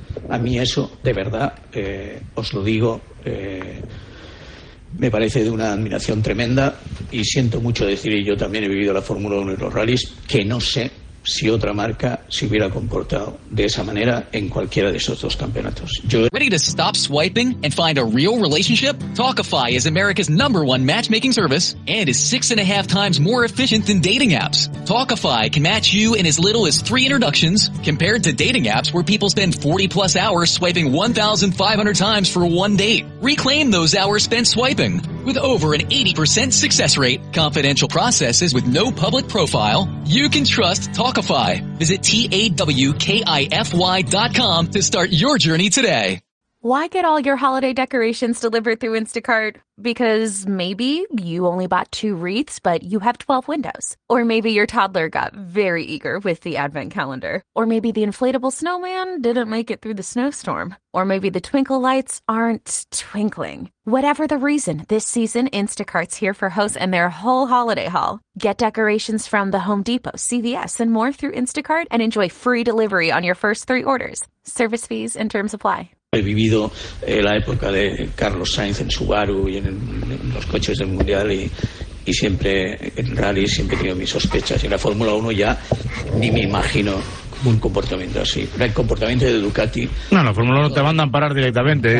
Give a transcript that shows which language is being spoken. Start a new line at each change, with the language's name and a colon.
Spanish: A mí eso, de verdad, os lo digo, me parece de una admiración tremenda, y siento mucho decir, y yo también he vivido la Fórmula 1 y los rallies, que no sé si otra marca se hubiera comportado de esa manera en cualquiera de esos dos campeonatos.
English: Ready to stop swiping and find a real relationship? Talkify is America's number one matchmaking service and is 6.5 times more efficient than dating apps. Talkify can match you in as little as 3 introductions compared to dating apps where people spend 40 plus hours swiping 1,500 times for one date. Reclaim those hours spent swiping. With over an 80% success rate, confidential processes with no public profile, you can trust Talkify. Visit TAWKIFY.com to start your journey today. Why get all your holiday decorations delivered through Instacart? Because maybe you only bought 2 wreaths, but you have 12 windows. Or maybe your toddler got very eager with the advent calendar. Or maybe the inflatable snowman didn't make it through the snowstorm. Or maybe the twinkle lights aren't twinkling. Whatever the reason, this season, Instacart's here for hosts and their whole holiday haul. Get decorations from the Home Depot, CVS, and more through Instacart and enjoy free delivery on your first 3 orders. Service fees and terms apply.
Spanish: He vivido la época de Carlos Sainz en Subaru y en los coches del Mundial, y siempre en rally siempre he tenido mis sospechas. Y en la Fórmula 1 ya ni me imagino un comportamiento así. El comportamiento de Ducati... No, en la Fórmula 1 te mandan parar directamente.